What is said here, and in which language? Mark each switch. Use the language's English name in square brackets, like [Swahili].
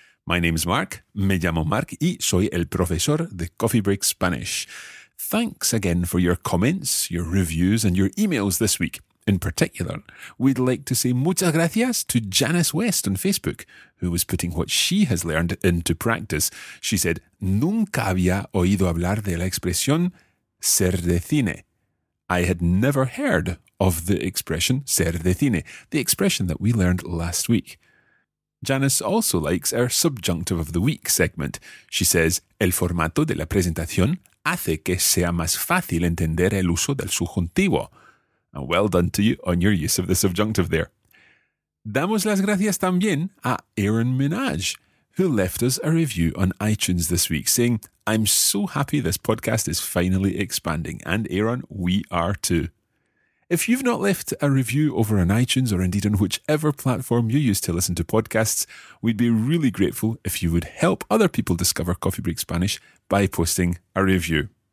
[English] My name's Mark, [Spanish] me llamo Mark y soy el profesor de Coffee Break Spanish. [English] Thanks again for your comments, your reviews and your emails this week. In particular, we'd like to say [Spanish] muchas gracias [English] to Janice West on Facebook, who was putting what she has learned into practice. She said, [Spanish] nunca había oído hablar de la expresión ser de cine. [English] I had never heard of the expression ser de cine, the expression that we learned last week. Janice also likes our subjunctive of the week segment. She says, [Spanish] el formato de la presentación hace que sea más fácil entender el uso del subjuntivo. [English] And well done to you on your use of the subjunctive there. [Spanish] Damos las gracias también a [English] Aaron Minaj, who left us a review on iTunes this week, saying, I'm so happy this podcast is finally expanding. And Aaron, we are too. If you've not left a review over on iTunes or indeed on whichever platform you use to listen to podcasts, we'd be really grateful if you would help other people discover Coffee Break Spanish by posting a review.